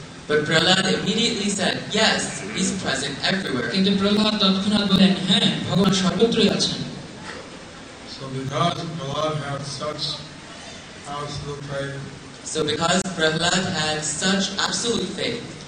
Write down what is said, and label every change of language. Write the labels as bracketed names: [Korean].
[English] But Prahlad immediately said, yes, he's present everywhere. [Bangla] কিন্তু প্রহ্লাদ তৎক্ষণাৎ বলেন, হ্যাঁ, ভগবান সর্বত্রই আছেন। [English] So because Prahlad had such absolute faith. So because Prahlad had such absolute faith.